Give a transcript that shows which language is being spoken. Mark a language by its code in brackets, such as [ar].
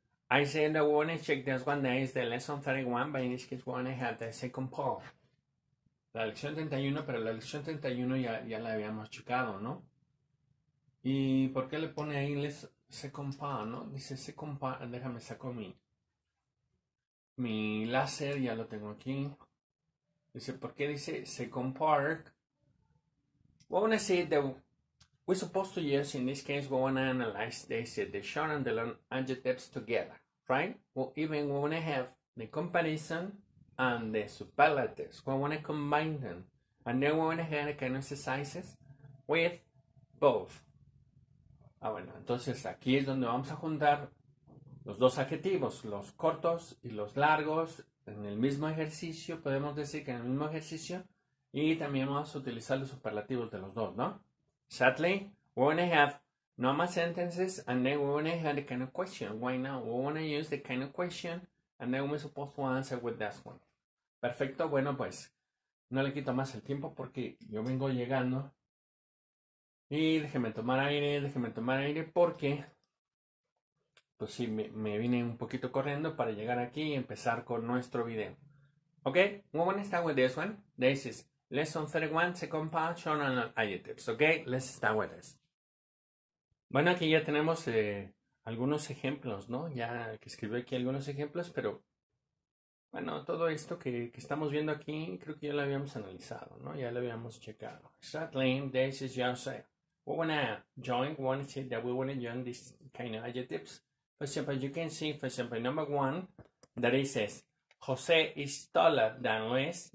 [en] I say that we want to check this one, that is the lesson 31, but in this case we want to have the second part. [es] La lección 31, pero la lección 31 ya la habíamos checado, ¿no? ¿Y por qué le pone ahí second part, no? Dice second part, déjame saco mi láser, ya lo tengo aquí. Dice, ¿por qué dice second part? [en] We want to see that we're supposed to use, in this case, we want to analyze the short and the long adjectives together, right? Well, even we want to have the comparison and the superlatives. We want to combine them. And then we want to have the kind of exercises with both. [es] Ah, bueno, entonces aquí es donde vamos a juntar los dos adjetivos, los cortos y los largos, en el mismo ejercicio, podemos decir que en el mismo ejercicio, y también vamos a utilizar los superlativos de los dos, ¿no? [en] Sadly, we want to have no more sentences, and then we want to have the kind of question. Why not? We want to use the kind of question, and then we're supposed to answer with this one. [es] Perfecto, bueno, pues, no le quito más el tiempo porque yo vengo llegando. Y déjeme tomar aire porque, pues sí, me vine un poquito corriendo para llegar aquí y empezar con nuestro video. [en] Ok, we want to start with this one. This is lesson 31, second part, short and long adjectives. Ok, let's start with this. [es] Bueno, aquí ya tenemos algunos ejemplos, ¿no? Ya que escribió aquí algunos ejemplos, pero, bueno, todo esto que estamos viendo aquí, creo que ya lo habíamos analizado, ¿no? Ya lo habíamos checado. [en] Exactly, this is your say. We want to join, we want to see that we want to join these kind of adjectives. For example, you can see, for example, number one, that it says, Jose is taller than Luis.